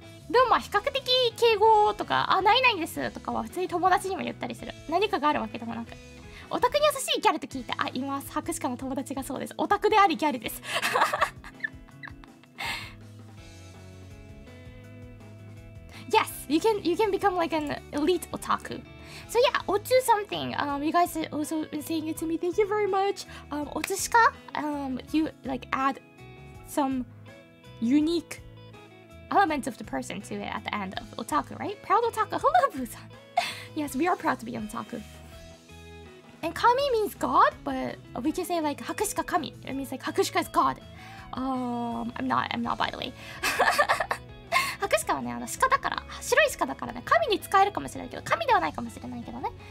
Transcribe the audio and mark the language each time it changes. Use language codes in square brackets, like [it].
[ja] でもまあ比較的敬語とか、あ、ないないですとかは普通に友達にも言ったりする。何かがあるわけでもなく、オタクに優しいギャルと聞いて、あ、います、博士課の友達がそうです。オタクでありギャルです。 [en] Yes, you can become like an elite otaku. So yeah, Otsu something. You guys also saying it to me. Thank you very much. Otsushika, you like add some unique elements of the person to it at the end of otaku, right? Proud otaku. Hello, Busan. Yes, we are proud to be an otaku. And kami means God, but we can say like Hakushika kami. It means like Hakushika is God. I'm not, by the way. [ja] ハクシカはね、あの鹿だから、白い鹿だからね、神に使えるかもしれないけど、神ではないかもしれないけどね。